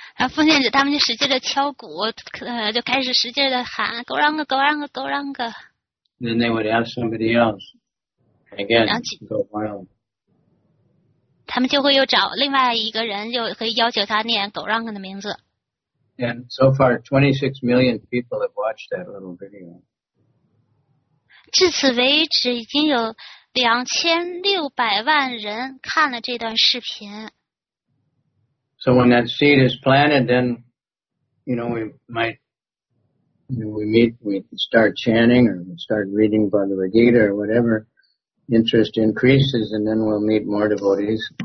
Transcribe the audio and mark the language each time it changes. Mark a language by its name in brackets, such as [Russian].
[Chinese] 奉献者他们就使劲的敲鼓就开始使劲的喊 Gauranga, Gauranga, Gauranga. [English] Then they would ask somebody else. Again, go wild. [Chinese] 他们就会又找另外一个人又可以要求他念 Gauranga 的名字。 [English] And so far, 26 million people have watched that little video. [Chinese] 至此为止已经有2600万人看了这段视频。 [English] So when that seed is planted, then, you know, we start chanting or we start reading Bhagavad Gita or whatever, interest increases and then we'll meet more devotees.